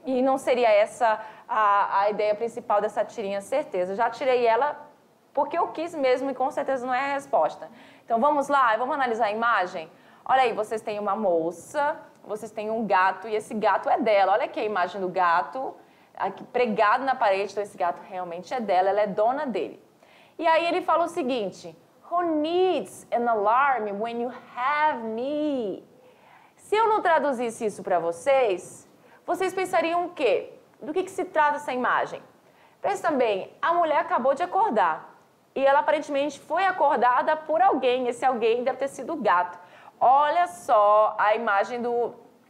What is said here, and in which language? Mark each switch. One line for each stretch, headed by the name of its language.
Portuguese: E não seria essa a ideia principal dessa tirinha, certeza. Eu já tirei ela porque eu quis mesmo, e com certeza não é a resposta. Então, vamos lá, vamos analisar a imagem? Olha aí, vocês têm uma moça, vocês têm um gato, e esse gato é dela. Olha aqui a imagem do gato, aqui, pregado na parede. Então, esse gato realmente é dela, ela é dona dele. E aí, ele fala o seguinte...
English: Who needs an alarm when you have me?
Portuguese: Se eu não traduzisse isso para vocês, vocês pensariam o quê? Do que se trata essa imagem? Pensa bem, a mulher acabou de acordar e ela aparentemente foi acordada por alguém. Esse alguém deve ter sido o gato. Olha só a imagem do...